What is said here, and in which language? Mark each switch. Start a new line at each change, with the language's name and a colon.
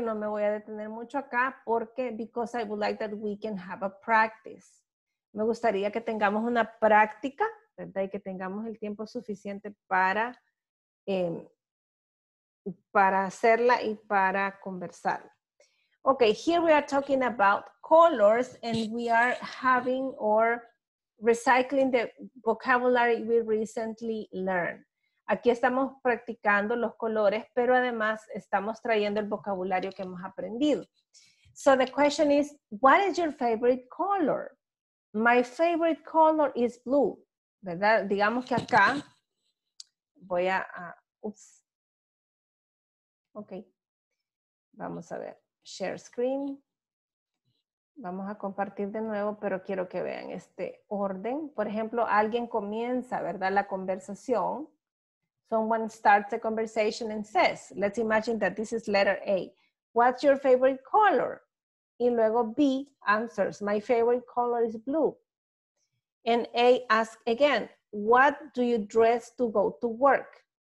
Spanish: No me voy a detener mucho acá porque,
English: because I would like that we can have a practice.
Spanish: Me gustaría que tengamos una práctica, ¿verdad? Y que tengamos el tiempo suficiente para hacerla y para conversar.
English: Okay, here we are talking about colors and we are having or recycling the vocabulary we recently learned.
Spanish: Aquí estamos practicando los colores, pero además estamos trayendo el vocabulario que hemos aprendido.
English: So the question is, what is your favorite color? My favorite color is blue,
Spanish: ¿verdad? Digamos que acá voy a, oops. Okay, vamos a ver, share screen. Vamos a compartir de nuevo, pero quiero que vean este orden. Por ejemplo, alguien comienza, ¿verdad? La conversación.
English: Someone starts the conversation and says, let's imagine that this is letter A. What's your favorite color?
Spanish: Y luego
English: B answers, my favorite color is blue. And A asks again, what do you dress to go to work?